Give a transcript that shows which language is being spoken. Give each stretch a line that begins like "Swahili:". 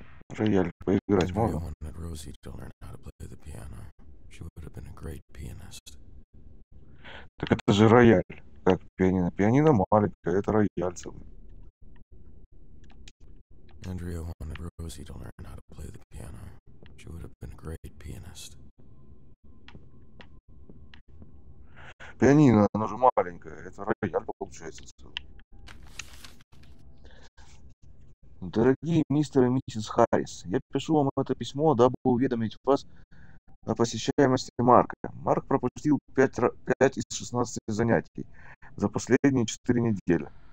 Russian: Рояль поиграть можно. Так это же рояль. Как пианино? Пианино маленькое, это рояль целый.
English: Andrea wanted Rosie to learn how to play the piano. She would have been a great pianist.
Russian: пианино, оно же маленькое. Это рояль получается целый. Дорогие мистер и миссис Харрис, я пишу вам это письмо, дабы уведомить вас о посещаемости Марка. Марк пропустил 5 из 16 занятий за последние 4 недели.